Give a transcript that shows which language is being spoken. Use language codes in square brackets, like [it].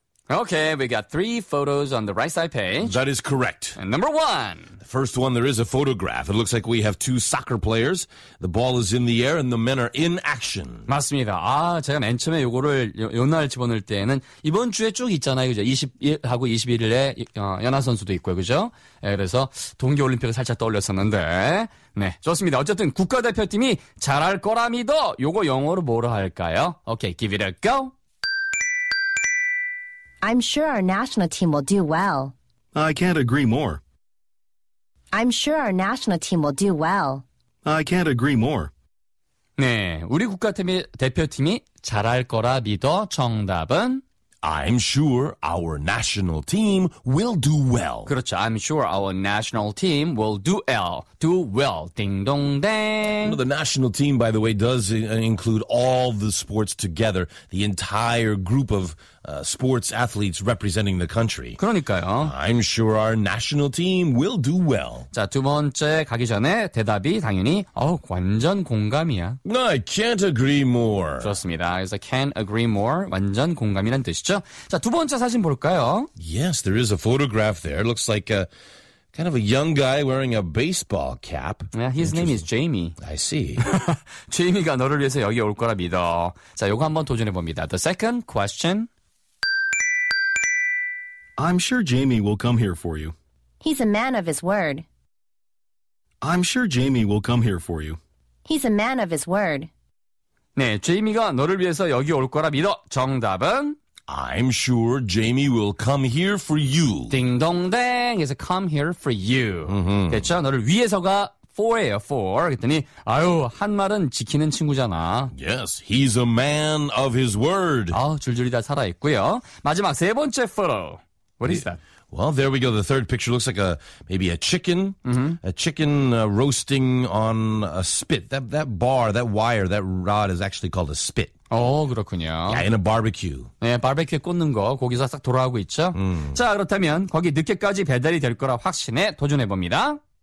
[en] Okay, we got 3 photos on the right side page. That is correct. And number 1. The first one, there is a photograph. It looks like we have 2 soccer players. The ball is in the air and the men are in action. [ko] 맞습니다. 아, 제가 맨 처음에 요거를 요날 집어넣을 때는 이번 주에 쭉 있잖아요. 그죠? 20일하고 21일에 연하 선수도 있고요. 그죠? 예, 그래서 동계 올림픽을 살짝 떠올렸었는데. 네. 좋습니다. 어쨌든 국가대표팀이 잘할 거라 믿어. 요거 영어로 뭐로 할까요? [en] Okay, give it a go. I'm sure our national team will do well. I can't agree more. I'm sure our national team will do well. I can't agree more. [ko] 네, 우리 국가대표팀이 잘할 거라 믿어. 정답은 [en] I'm sure our national team will do well. [ko] 그렇죠. [en] I'm sure our national team will do well. Do well. [ko] 딩동댕. [en] The national team, by the way, does include all the sports together. The entire group of sports athletes representing the country. [ko] 그러니까요. [en] I'm sure our national team will do well. [ko] 자, 두 번째 가기 전에 대답이 당연히 완전 공감이야. [en] I can't agree more. [ko] 좋습니다. 그래서 [en] can't agree more, [ko] 완전 공감이란 뜻이죠. 자, 두 번째 사진 볼까요? [en] Yes, there is a photograph there. It looks like a kind of a young guy wearing a baseball cap. Yeah, his name is Jamie. I see. [ko] Jamie가 너를 위해서 여기 올 거라 믿어. 자, 요거 한번 도전해 봅니다. [en] The second question. I'm sure Jamie will come here for you. He's a man of his word. I'm sure Jamie will come here for you. He's a man of his word. [ko] 네, 제이미가 너를 위해서 여기 올 거라 믿어. 정답은 [en] I'm sure Jamie will come here for you. [ko] 딩동댕 [en] is come here for you. [ko] 그렇죠? 너를 위해서가 for예요, for. 그랬더니 아유, 한 말은 지키는 친구잖아. [en] Yes, he's a man of his word. [ko] 아, 줄줄이 다 살아있고요. 마지막 세 번째 photo. [en] What is that? Well, there we go. The third picture looks like maybe a chicken, a chicken roasting on a spit. That bar, that wire, that rod is actually called a spit. Oh, [ko] 그렇군요. [en] Yeah, in a barbecue. [ko] 네, 바베큐에 꽂는 거, 거기서 싹 돌아오고 있죠. 자, 그렇다면 거기 늦게까지 배달이 될 거라 확신해 도전해봅니다.